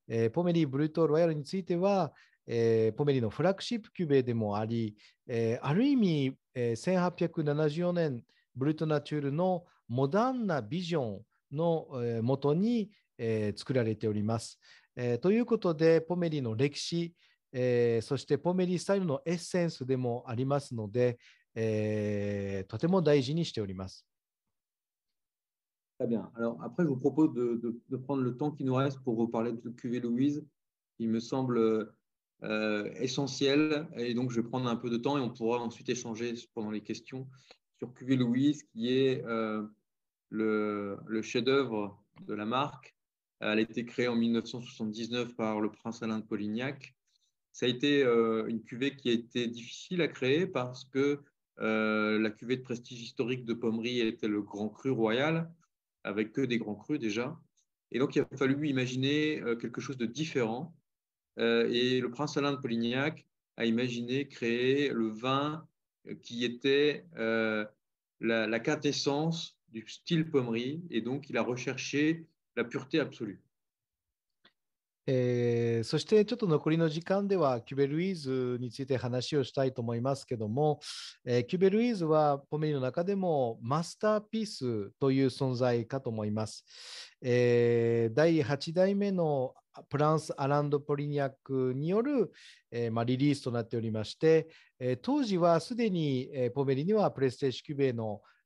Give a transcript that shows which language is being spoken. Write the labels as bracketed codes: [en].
[ja] ポメリブルートロイヤルについては、ポメリのフラッグシップキュベでもあり、ある意味、1874年ブルートナチュールのモダンなビジョンの、元に作られております。ということで、ポメリの歴史、そしてポメリスタイルのエッセンスでもありますので、とても大事にしております。 [fr] Très bien. Alors, après, je vous propose de prendre le temps qui nous reste pour vous parler de cuvée Louise. Il me semble essentiel, et donc je vais prendre un peu de temps et on pourra ensuite échanger pendant les questions sur cuvée Louise, qui est le chef-d'œuvre de la marque. Elle a été créée en 1979 par le prince Alain de Polignac. Ça a été une cuvée qui a été difficile à créer parce que la cuvée de prestige historique de Pommery était le grand cru royal, avec que des grands crus déjà. Et donc, il a fallu imaginer quelque chose de différent. Et le prince Alain de Polignac a imaginé créer le vin qui était la quintessence du style Pommery. Et donc, il a recherché la pureté absolue. [ja] そしてちょっと残りの時間ではキュベルイーズについて話をしたいと思いますけども、キュベルイーズはポメリの中でもマスターピースという存在かと思います。第8代目のプランス・アランド・ポリニャックによる、まあ、リリースとなっておりまして、当時はすでに、ポメリにはプレステージキュベの